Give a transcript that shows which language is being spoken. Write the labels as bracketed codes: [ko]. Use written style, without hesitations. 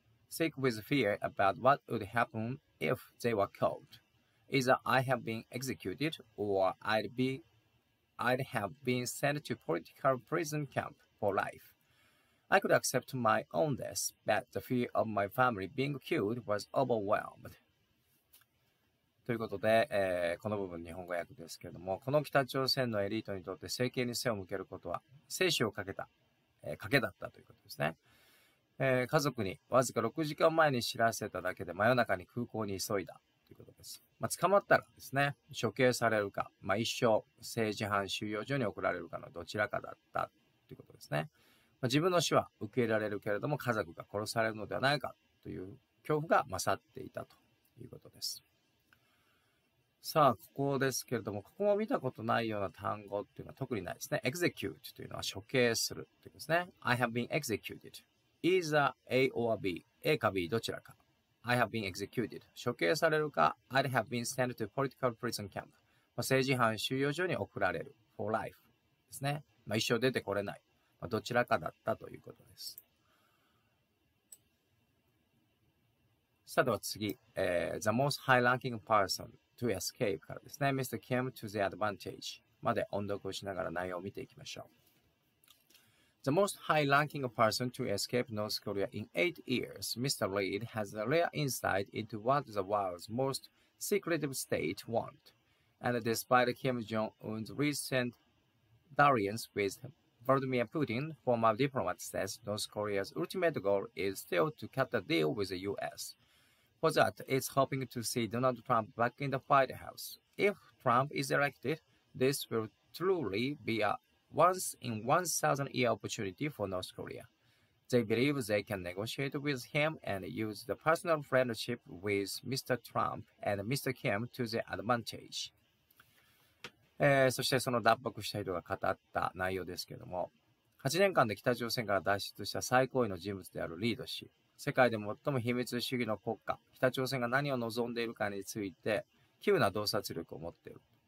[en] Sick with fear about what would happen if they were caught. Either I have been executed or I'd have been sent to political prison camp for life. I could accept my own death, but the fear of my family being killed was overwhelmed. [ja] ということで、この部分日本語訳ですけれども、この北朝鮮のエリートにとって政権に背を向けることは生死をかけた、賭けだったということですね。家族にわずか6時間前に知らせただけで真夜中に空港に急いだということです。まあ、捕まったらですね、処刑されるか、まあ、一生政治犯収容所に送られるかのどちらかだったということですね。まあ、自分の死は受け入れられるけれども、家族が殺されるのではないかという恐怖が勝っていたということです。さあ、ここですけれども、ここも見たことないような単語っていうのは特にないですね。 execute というのは処刑するっていうことですね。 [en] I have been executed. Either A or B. [ja] A か B どちらか。 [en] I have been executed. [ja] 処刑されるか、 [en] I'd have been sent to political prison camp. [ja] 政治犯収容所に送られる。 [en] for life. ですね。 [ja] まあ、一生出てこれない。まあ、どちらかだったということです。さあ、では次。 [en] The most high ranking person. To escape [ja] からですね、 [en] Mr. came to the advantage [ja] まで音読をしながら内容を見ていきましょう。 [en] The most high-ranking person to escape North Korea in 8 years, Mr. Reid has a rare insight into what the world's most secretive state want. And despite Kim Jong-un's recent dalliance with Vladimir Putin, former diplomat says North Korea's ultimate goal is still to cut a deal with the U.S. For that, it's hoping to see Donald Trump back in the White House. If Trump is elected, this will truly be a once-in-1,000-year opportunity for North Korea. They believe they can negotiate with him and use the personal friendship with Mr. Trump and Mr. Kim to their advantage. [ja] そしてその脱北した人が語った内容ですけれども、8年間で北朝鮮から脱出した最高位の人物であるリード氏。世界で最も秘密主義の国家、北朝鮮が何を望んでいるかについて、奇妙な洞察力を持っている。